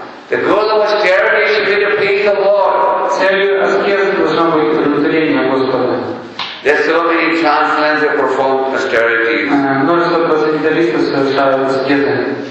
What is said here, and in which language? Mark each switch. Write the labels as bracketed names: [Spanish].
[English] The goal of austerity should be to please the Lord. [Russian] Целью аскезы должно быть удовлетворение Господа. [English] There are so many transcendents that perform austerities. [Russian] Множество трансценденталистов совершают аскезы.